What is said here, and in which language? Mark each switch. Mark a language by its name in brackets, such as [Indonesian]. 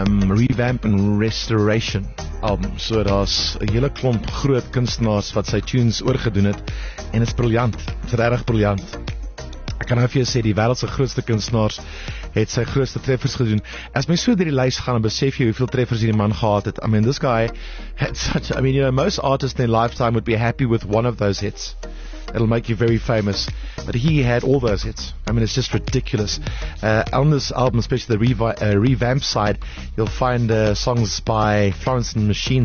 [English] Revamp and Restoration album. [Afrikaans] So daar's 'n hele klomp groot kunstenaars wat sy tunes oorgedoen het en is briljant. Dit is regtig briljant. Ek kan nou vir jou sê die wêreld se grootste kunstenaars het sy grootste treffers gedoen. As my so deur die lys gaan, dan besef jy hoeveel treffers hierdie man gehad het. [English] I mean, this guy had such a, I mean, you know, most artists in their lifetime would be happy with one of those hits. It'll make you very famous. But he had all those hits. I mean, it's just ridiculous. On this album, especially the revamp side, you'll find songs by Florence and the Machine.